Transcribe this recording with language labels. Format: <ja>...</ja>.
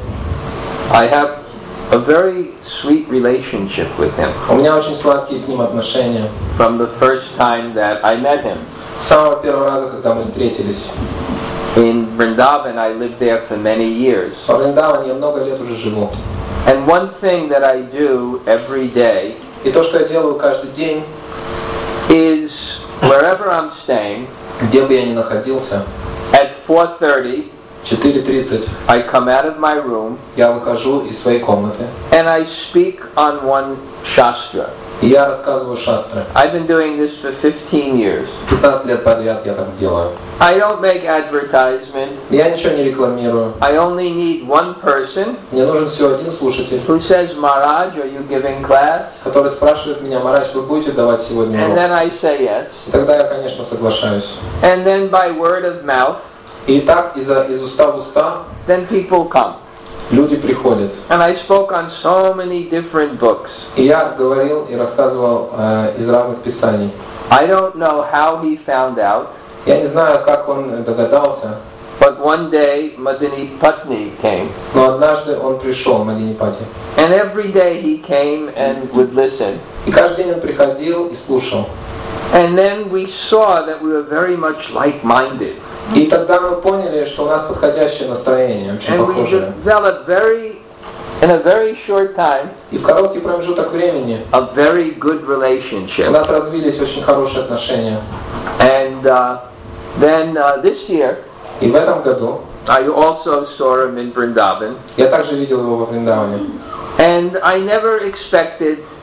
<en>I have a very sweet relationship with him.</en> <ru>У меня очень сладкие с ним отношения.</ru> <en>From the first time that I met him.</en> <ru>С самого первого раза, когда мы встретились.</ru> <en>In Vrindavan, I lived there for many years.</en> <ru>В Вриндаване я много лет уже живу.</ru> <en>And one thing that I do every day.</en> <ru>И то, что я делаю каждый день.</ru> <en>Is wherever I'm staying.</en> <ru>Где бы я ни находился.</ru> <en>At 4:30.</en> <ru>4:30.</ru> <en>I come out of my room.</en> <ru>Я выхожу из своей комнаты.</ru> <en>And I speak on one shastra.</en> <ru>И я рассказываю шастры.</ru> <en>I've been doing this for 15 years.</en> <ru>15 лет подряд я так делаю.</ru> <en>I don't make advertisement.</en> <ru>Я ничего не рекламирую.</ru> <en>I only need one person.</en> <ru>Мне нужен всего один слушатель.</ru> <en>Who says, Maharaj, are you giving class?</en> <ru>Который спрашивает меня: Maharaj, вы будете давать сегодня урок?</ru> <en>And then I say yes.</en> <ru>Тогда я, конечно, соглашаюсь.</ru> <en>And then by word of mouth.</en> <ru>И так из уста в уста.</ru> <en>Then people come.</en> <ru>Люди приходят.</ru> <en>And I spoke on so many different books.</en> <ru>И я говорил и рассказывал из разных писаний.</ru> <en>I don't know how he found out.</en> <ru>Я не знаю, как он догадался.</ru> <en>But one day Madhinipatni came.</en> <ru>Но однажды он пришел, Мадхинипати.</ru> <en>And every day he came and would listen.</en> <ru>И каждый день он приходил и слушал.</ru> <en>And then we saw that we were very much like-minded.</en> <ru>И тогда мы поняли, что у нас подходящее настроение, очень</ru> <en>and</en> <ru>похожее.</ru> <en>And we developed very, in a very short time,</en> <ru>и в короткий промежуток времени,</ru> <en>a very good relationship.</en> <ru>У нас развились очень хорошие отношения.</ru> <en>And this year,</en> <ru>и в этом году,</ru> <en>I also saw him in Vrindavan.</en> <ru>Я также видел его во Вриндаване.</ru> <en>And I never expected.</en>